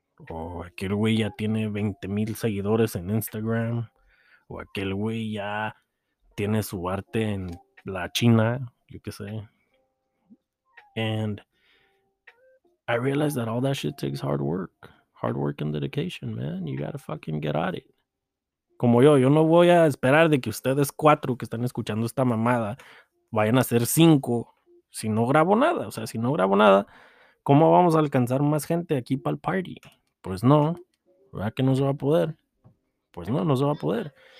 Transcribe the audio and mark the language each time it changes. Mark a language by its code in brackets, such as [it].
[es] O aquel güey ya tiene 20,000 seguidores en Instagram. O aquel güey ya tiene su arte en la China, yo qué sé. [en] And I realized that all that shit takes hard work. Hard work and dedication, man. You gotta fucking get at it. [es] Como yo no voy a esperar de que ustedes cuatro que están escuchando esta mamada vayan a ser cinco si no grabo nada. O sea, si no grabo nada, ¿cómo vamos a alcanzar más gente aquí para el party? Pues no. ¿Verdad que no se va a poder? Pues no, no se va a poder.